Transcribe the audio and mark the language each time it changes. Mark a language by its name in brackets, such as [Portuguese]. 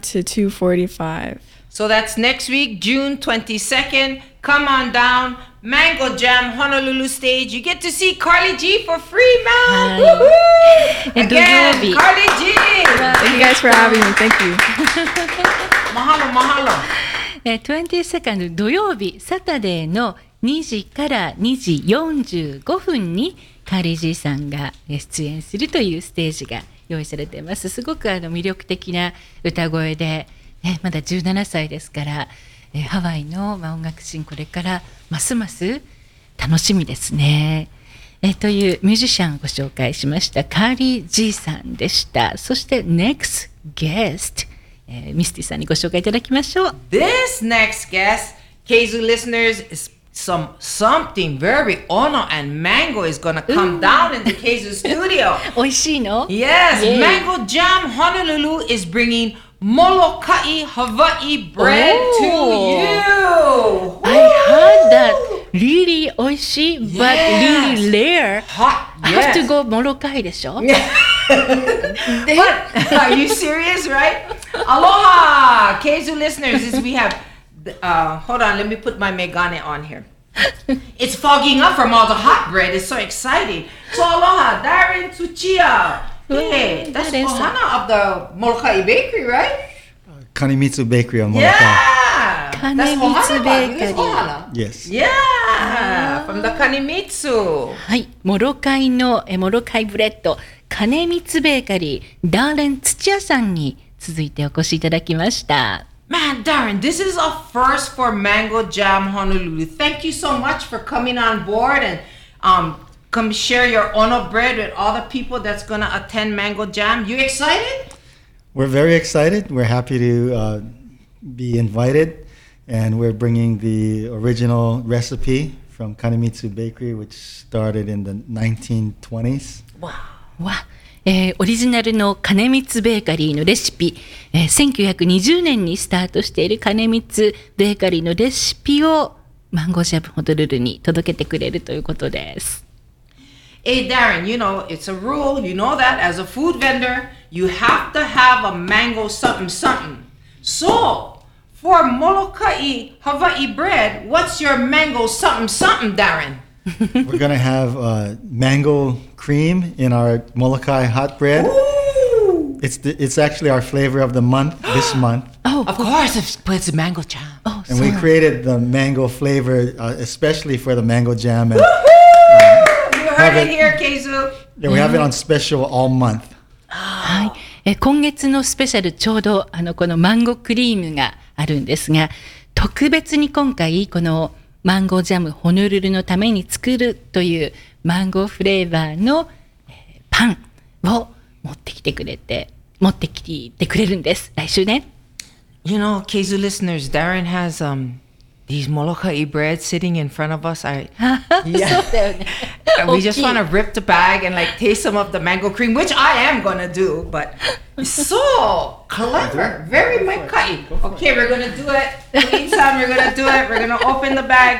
[English] to 2:45. So that's next week, June 22nd. Come on down, Mango Jam Honolulu stage. You get to see Carly G for free, man. Again, Carly G. Thank you guys for having me. Thank you. Mahalo, mahalo. [Japanese] 22nd, 土曜日、サタデーの2時から2時45分にカリジーさんが出演するというステージが用意されています。すごくあの魅力的な歌声で、ね、まだ17歳ですから、ハワイの、まあ、音楽シーンこれからますます楽しみですね、というミュージシャンをご紹介しましたカーリー G さんでした。そして NEXT GUEST、ミスティさんにご紹介いただきましょう。 [English] This next guest KZU listeners is something very ono and mango is gonna come、Ooh. down in the KZU studio. [Japanese] おいしいの? [English] Yes,、Yay. Mango Jam Honolulu is bringing Molokai Hawaii bread、Ooh. to you. I heard that really [Japanese] おいしい [English] but、yes. really rare. Hot, yes. Have to go Molokai [Japanese] でしょ? [English] What? Are you serious, right? Aloha, KZU listeners. We have... hold on, let me put my Megane on here. It's fogging up from all the hot bread. It's so exciting. So aloha, Darren Tsuchiya. Hey, that's the ohana of the Molokai Bakery, right? Kanemitsu Bakery of Molokai. Yeah! Kanemitsu that's Bakery. Yes. Yeah! From the Kanemitsu. [Japanese] はい、Molokai のモロカイブレッド、Kanemitsu Bakery、Darren Tsuchiya さんに続いてお越しいただきました。 [English] Man, Darren, this is a first for Mango Jam Honolulu. Thank you so much for coming on board and come share your ono bread with all the people that's going to attend Mango Jam. You excited? We're very excited. We're happy to be invited. And we're bringing the original recipe from Kanemitsu Bakery, which started in the 1920s. Wow. Wow. [Japanese] オリジナルの金光ベーカリーのレシピ、1920年にスタートしている金光ベーカリーのレシピをマンゴージャムホノルルに届けてくれるということです。 [English] Hey Darren, you know it's a rule, you know that as a food vendor you have to have a mango something something. So for Molokai Hawaii bread, what's your mango something something, Darren? We're gonna have a mango cream in our Molokai hot bread. Ooh! It's actually our flavor of the month, this month. Oh, of course, it's a mango jam. Oh, and sorry. We created the mango flavor, especially for the mango jam. And, you heard it here, KZU. Yeah, we have it on special all month. [Japanese] はい、今月のスペシャルちょうどあのこのマンゴークリームがあるんですが、特別に今回このマンゴージャムホノルルのために作るというマンゴーフレーバーのパンを持ってきてくれるんです。来週ね。 [English] You know, KZU listeners, Darren has these Molokai bread sitting in front of us. Yeah. We just want to rip the bag and like taste some of the mango cream, which I am going to do, but it's so clever. Very Maikai. Okay, we're going to do it. Queen-san, we're going to do it. We're going to open the bag.